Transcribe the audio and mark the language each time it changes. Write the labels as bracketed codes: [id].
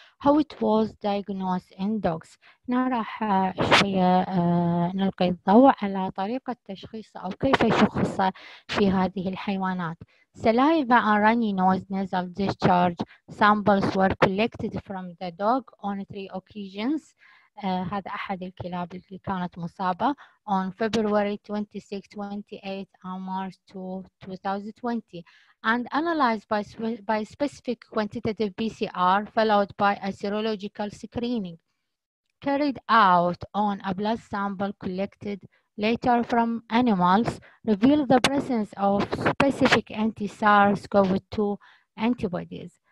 [en] How it was diagnosed in dogs. [ar] نراح شوية نلقي الضوء على طريقة تشخيص أو كيف يشخص في هذه الحيوانات. [en] Saliva and runny nose nasal discharge samples were collected from the dog on 3 occasions. [ar] هذا أحد الكلاب اللي كانت مصابة [en] on February 26, 28 and March 2020 and analyzed by specific quantitative PCR followed by a serological screening carried out on a blood sample collected later from animals revealed the presence of specific anti-SARS-CoV-2 antibodies.